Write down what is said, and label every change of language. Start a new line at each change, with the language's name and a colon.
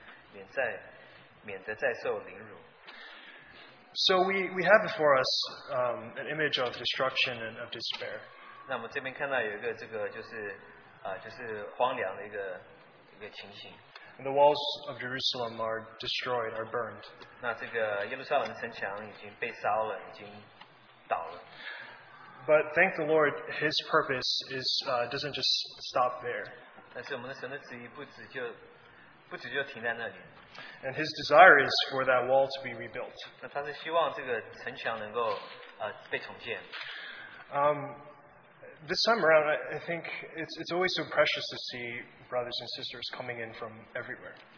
Chinese: 以后我对他们说，我们所遭的那耶路撒冷怎样荒凉，城门被火焚烧，你们都看见了，来吧，我们重建耶路撒冷的城墙，免得再受凌辱。
English: So we have before us an image of destruction and of despair.
Chinese: 那我们这边看到有一个这个就是荒凉的一个情形。
English: And the walls of Jerusalem are destroyed, are burned.
Chinese: 那这个耶路撒冷的城墙已经被烧了，已经倒了。
English: But thank the Lord, His purpose is doesn't just stop there.
Chinese: 但是我们的神的旨意不止就停在那里。
English: And his desire is for that wall to be rebuilt. This time around, I think it's always so precious to see brothers and sisters coming in from everywhere.